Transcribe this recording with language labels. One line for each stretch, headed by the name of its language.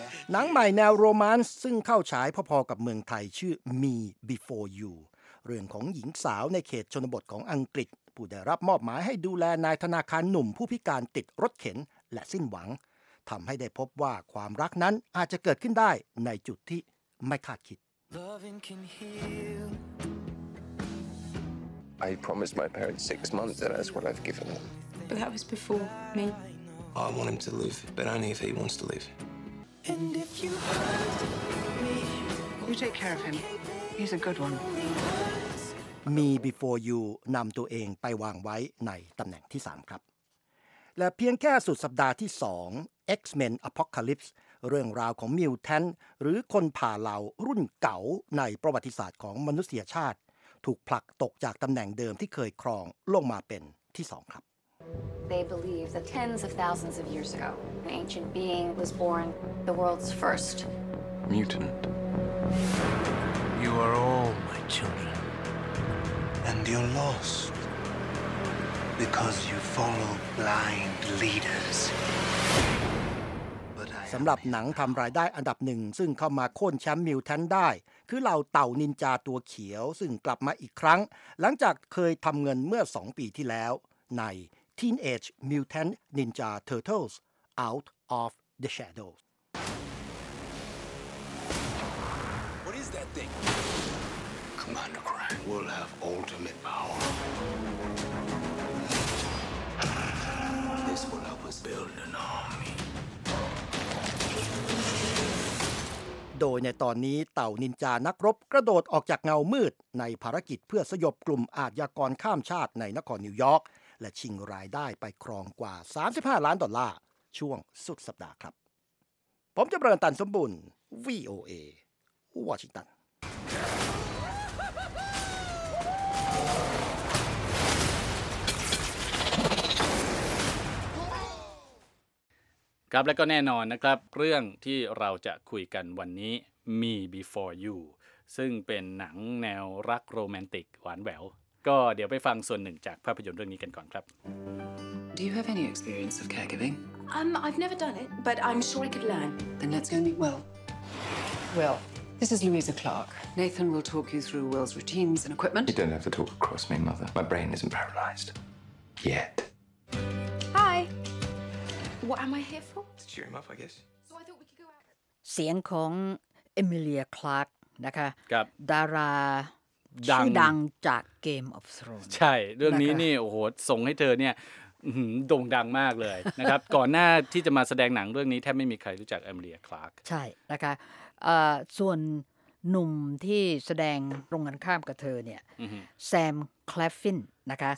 Thai: หนังใหม่แนวโรแมนซ์ซึ่งเข้าฉายพอๆกับเมืองไทยชื่อ Me Before You เรื่องของหญิงสาวในเขตชนบทของอังกฤษผู้ได้รับมอบหมายให้ดูแลนายธนาคารหนุ่มผู้พิการติดรถเข็นและสิ้นหวังทำให้ได้พบว่าความรักนั้นอาจจะเกิดขึ้นได้ในจุดที่ไม่คาดคิด
English: Loving can heal I promised my parents 6 months and that's what I've given them But that was before me I want him to live, but only if he wants to live. And if you hurt me, you take care of him. He's a good one.
Thai: Me before you นำตัวเองไปวางไว้ในตำแหน่งที่3ครับและเพียงแค่สุดสัปดาห์ที่2 X-Men Apocalypse เรื่องราวของมิวแทนหรือคนผ่าเหล่ารุ่นเก่าในประวัติศาสตร์ของมนุษยชาติถูกผลักตกจากตำแหน่งเดิมที่เคยครองลงมาเป็นที่2ครับ
English: They believe that tens of thousands of years ago, an ancient being was born, the world's first mutant. You are all my children, and you're lost because you follow blind leaders.
Thai: สำหรับหนังทำรายได้อันดับหนึ่งซึ่งเข้ามาโค่นแชมป์มิวแทนได้คือเหล่าเต่านินจาตัวเขียวซึ่งกลับมาอีกครั้งหลังจากเคยทำเงินเมื่อ2ปีที่แล้วในTeenage Mutant Ninja Turtles Out of the Shadows.
English: What is that thing? Commander Krang will have ultimate power. This will help us build an army.
Thai: โดยในตอนนี้เต่านินจานักรบกระโดดออกจากเงามืดในภารกิจเพื่อสยบกลุ่มอาชญากรข้ามชาติในนครนิวยอร์กและชิงรายได้ไปครองกว่า35ล้านดอลลาร์ช่วงสุดสัปดาห์ครับผมจะประกันตันสมบูรณ์ VOA วอชิงตัน ครับและก็แน่นอนนะครับเรื่องที่เราจะคุยกันวันนี้ Me Before You ซึ่งเป็นหนังแนวรักโรแมนติกหวานแหววก็เดี๋ยวไปฟังส่วนหนึ่งจากภาพยนตร์เรื่องนี้กันก่อนครับ
English: Do you have any experience of caregiving? I've never done it, but I'm sure I could learn. Then let's go meet Will. Will, this is Louisa Clark. Nathan will talk you through Will's routines and equipment. You don't have to talk across me, Mother. My brain isn't paralyzed. Yet. Hi. What am I here for? To cheer him up, I guess. So I thought we could go out.
Thai: เสียงของ Emilia Clarke นะคะ ครับ ดาราชื ่อดังจาก Game of Thrones ใช่เรื่องนี้นี่โอ้โหส่งให้เธอเนี่ยโด่งดังมากเลยนะครับก่อนหน้าที่จะมาแสดงหนังเรื่องนี้แทบไม่มีใครรู้จักเอมิเลียคลาร์ก ใช่นะคะส่วนหนุ่มที่แสดงตรงกันข้ามกับเธอเนี่ยแซมคลาฟฟินนะคะ